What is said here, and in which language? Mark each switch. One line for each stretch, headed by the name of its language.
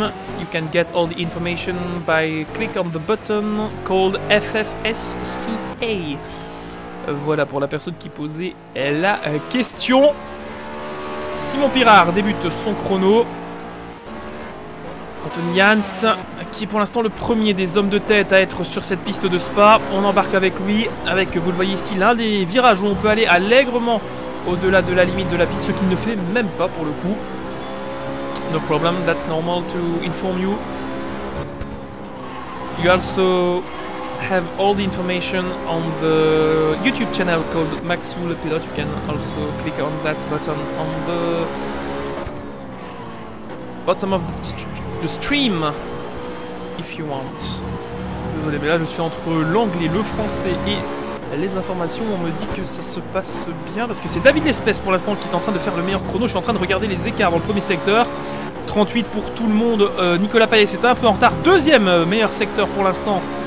English: You can get all the information by click on the button called FFSCA.
French: Voilà pour la personne qui posait la question. Simon Pirard débute son chrono. Anthony Jans, qui est pour l'instant le premier des hommes de tête à être sur cette piste de Spa. On embarque avec lui, avec, vous le voyez ici, l'un des virages où on peut aller allègrement au-delà de la limite de la piste, ce qu'il ne fait même pas pour le coup.
English: No problem, that's normal to inform you. You also have all the information on the YouTube channel called Maxou Le Pilote. You can also click on that button on the bottom of the stream if you want.
French: Désolé, mais là je suis entre l'anglais, le français et les informations. On me dit que ça se passe bien parce que c'est David L'Espèce pour l'instant qui est en train de faire le meilleur chrono. Je suis en train de regarder les écarts dans le premier secteur. 38 pour tout le monde. Nicolas Payet est un peu en retard. Deuxième meilleur secteur pour l'instant